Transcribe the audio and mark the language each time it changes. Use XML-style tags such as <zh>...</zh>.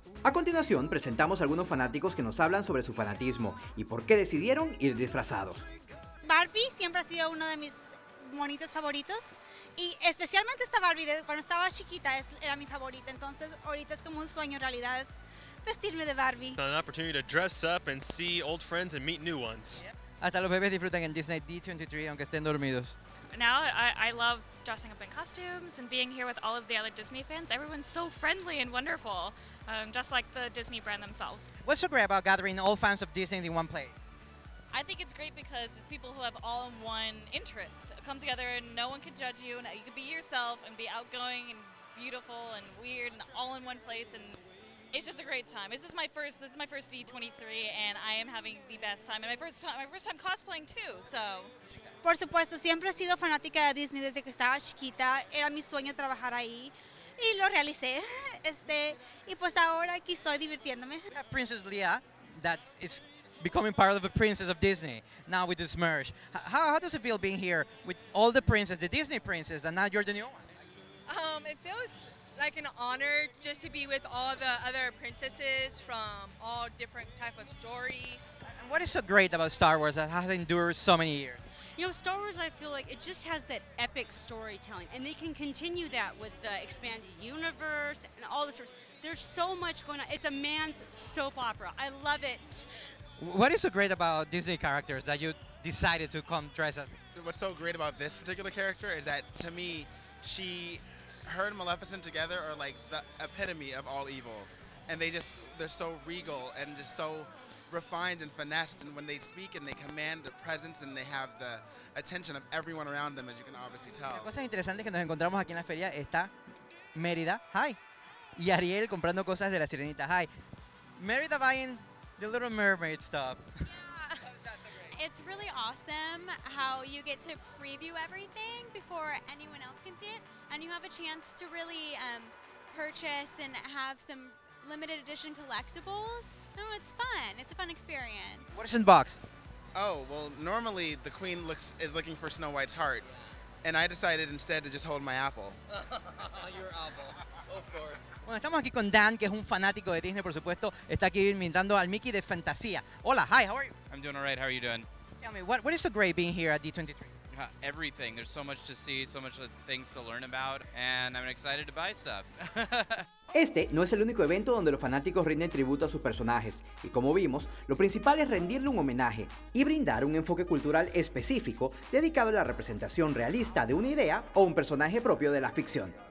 <es>A continuación, presentamos a algunos fanáticos que nos hablan sobre su fanatismo y por qué decidieron ir disfrazados. Barbie siempre ha sido uno de mis monitos favoritos y especialmente esta Barbie, de cuando estaba chiquita, era mi favorita. Entonces ahorita es como un sueño realidad vestirme de Barbie.</es> <en>An opportunity to dress up and see old friends and meet new ones. Yep.</en> <es>Hasta los bebés disfrutan en Disney D23 aunque estén dormidos.</es> <en>Now I love dressing up in costumes and being here with all of the other Disney fans. Everyone's so friendly and wonderful, just like the Disney brand themselves. What's so great about gathering all fans of Disney in one place? I think it's great because it's people who have all in one interest. Come together and no one can judge you, and you can be yourself and be outgoing and beautiful and weird and all in one place, and it's just a great time. This is my first D23 and I am having the best time, and my first time cosplaying too, so.</en> <es>Por supuesto, siempre he sido fanática de Disney desde que estaba chiquita. Era mi sueño trabajar ahí y lo realicé. Y pues ahora aquí estoy divirtiéndome.</es> <en>Princess Leia, that is becoming part of the princess of Disney now with this merge. How does it feel being here with all the princesses, the Disney princesses, and now you're the new one? It feels like an honor just to be with all the other princesses from all different type of stories. And what is so great about Star Wars that has endured so many years? You know, Star Wars, I feel like it just has that epic storytelling, and they can continue that with the expanded universe and all the stories. There's so much going on. It's a man's soap opera. I love it. What is so great about Disney characters that you decided to come dress as? What's so great about this particular character is that, to me, she, her and Maleficent together are like the epitome of all evil. And they're so regal and just so refined and finessed. And when they speak and they command the presence and they have the attention of everyone around them, as you can obviously tell.</en> <es>La cosa interesante que nos encontramos aquí en la feria está Mérida, hi. Y Ariel comprando cosas de la Sirenita, hi.</es> <en>Mérida buying the Little Mermaid stuff. Yeah. It's really awesome how you get to preview everything before anyone else can see it, and you have a chance to really purchase and have some limited edition collectibles. No, it's fun. It's a fun experience. What is in the box? Oh, well, normally the queen is looking for Snow White's heart, and I decided instead to just hold my apple. Your apple, of course.</en> <es>Bueno, estamos aquí con Dan, que es un fanático de Disney, por supuesto. Está aquí invitando al Mickey de Fantasía. Hola,</es> <en>hi, how are you? I'm doing all right, how are you doing? Tell me, what is so great being here at D23? Everything. There's so much to see, so much things to learn about, and I'm excited to buy stuff.</en> <es>Este no es el único evento donde los fanáticos rinden tributo a sus personajes, y como vimos, lo principal es rendirle un homenaje y brindar un enfoque cultural específico dedicado a la representación realista de una idea o un personaje propio de la ficción.</es>